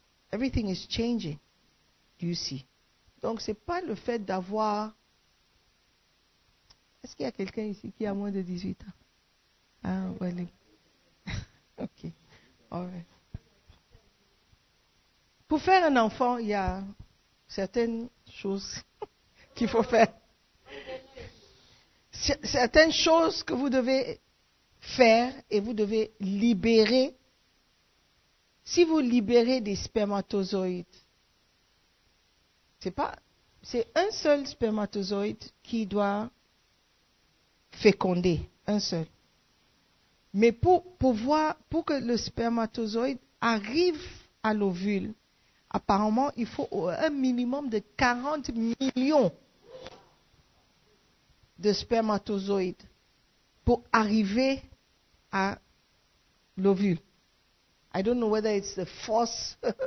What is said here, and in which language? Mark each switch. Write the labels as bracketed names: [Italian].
[English] Everything is changing, you see. [French] Donc, ce n'est pas le fait d'avoir... Est-ce qu'il y a quelqu'un ici qui a moins de 18 ans? [English] Ah, well, OK. All right. [French] Pour faire un enfant, il y a certaines choses qu'il faut faire. Certaines choses que vous devez faire et vous devez libérer. Si vous libérez des spermatozoïdes, c'est un seul spermatozoïde qui doit féconder, un seul. Mais pour que le spermatozoïde arrive à l'ovule, apparemment, il faut un minimum de 40 millions de spermatozoïdes pour arriver à l'ovule. [English] I don't know whether it's the force.